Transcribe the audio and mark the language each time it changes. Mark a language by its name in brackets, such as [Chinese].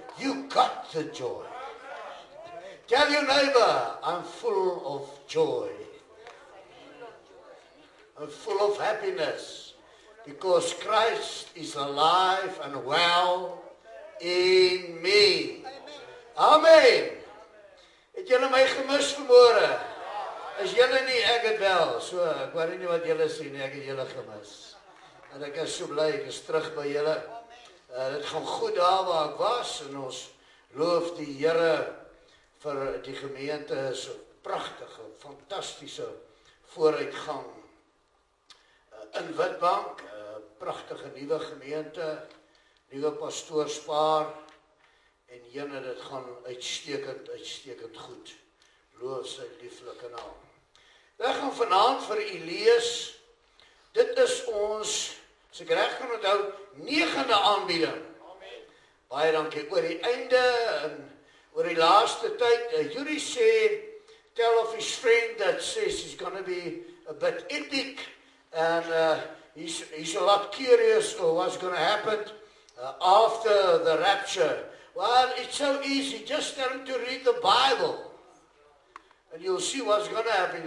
[English] You got the joy. Tell your neighbor, I'm full of joy. I'm full of happiness because Christ is alive and well in me. Amen. [Afrikaans] Het julle my gemis vanmôre? Is julle nie, ek het wel. So, ek weet nie wat julle sê nie, ek het julle gemis. En ek is so bly, ek is terug by julle. Dit gaan goed daar waar ek was en ons loof die Here vir die gemeente is so pragtige, fantastiese vooruitgang. In Witbank, pragtige nuwe gemeente, nuwe pastoorspaar en jene, dit gaan uitstekend, uitstekend goed. Loof sy lieflike naam. Ek gaan vanavond vir u lees. Dit is ons, as ek reg kan onthou, 9de aanbieding. Amen. Baie dankie oor die einde en oor die laaste tyd. [English] Jury sê, tell of his friend that says he's gonna be a bit epic and he's a lot curious of what's gonna happen after the rapture. Well, it's so easy, just tell him to read the Bible and you'll see what's gonna happen.